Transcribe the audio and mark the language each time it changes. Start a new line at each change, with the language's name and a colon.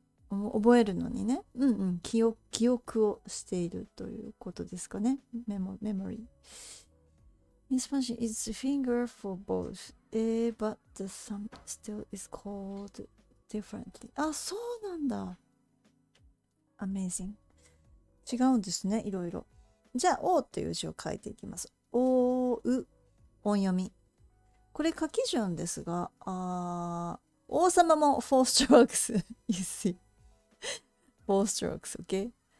Japanese: 覚えるのにね、記憶をしているということですかね。メモリー。
English: This one is finger for both, but the thumb still is called differently.
Japanese: あ、そうなんだ。Amazing。違うんですね、いろいろ。じゃあ、O という字を書いていきます。 O、U、音読み。これ書き順ですが、王様も
English: 4 strokes, you see. 4 strokes, OK?